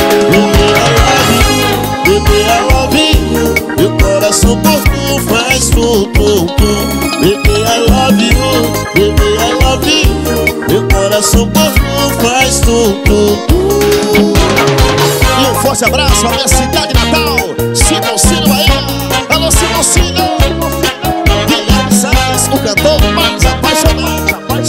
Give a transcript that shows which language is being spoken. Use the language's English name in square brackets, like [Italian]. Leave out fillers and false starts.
[Portuguese] Bebê, [English] I love you, bebê, I love you. [Portuguese] Meu coração por tu faz tudo. Bebê, [English] I love you, bebê, I love you. [Portuguese] Meu coração por tu faz tudo. E um forte abraço pra minha cidade natal, Sino, Sino, Bahia. Alô, Sino, Sino. Guilherme Salles, o cantor mais apaixonado.